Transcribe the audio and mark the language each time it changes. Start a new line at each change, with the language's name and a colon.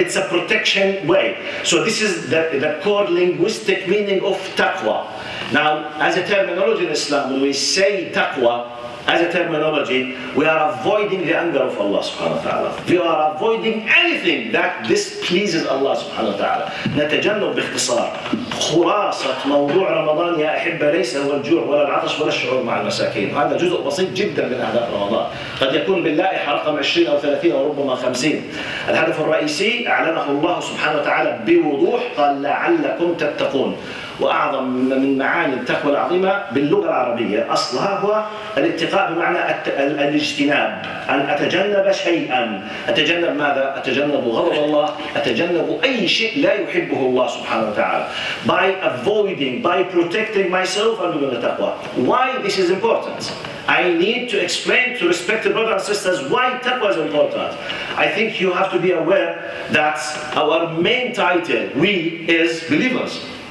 English: It's a protection way. So this is the core linguistic meaning of taqwa. Now, as a terminology in Islam, when we say taqwa, as a terminology, we are avoiding the anger of Allah
Arabic: subhanahu wa ta'ala.
English: We are avoiding anything that displeases Allah
Arabic: subhanahu wa ta'ala. نتجنب باختصار خراسة موضوع رمضان يا أحبة ليس هو الجوع ولا العطش ولا الشعور مع المساكين. هذا جزء بسيط جدا من أهداف رمضان. قد يكون باللائحة رقم 20 أو 30 أو ربما 50. الهدف الرئيسي أعلنه الله سبحانه وتعالى بوضوح قال لعلكم تتقون. وأعظم من معاني التقوى العظيمة باللغة العربية أصلها هو الاتقاء بمعنى الاجتناب، أن أتجنب شيئاً. أتجنب ماذا؟ أتجنب غضب الله، أتجنب أي شيء لا يحبه الله سبحانه وتعالى.
English: By avoiding, by protecting myself, I'm doing the taqwa. Why this is important? I need to explain to respected brothers and sisters why taqwa is important. I think you have to be aware that our main title, we, is believers.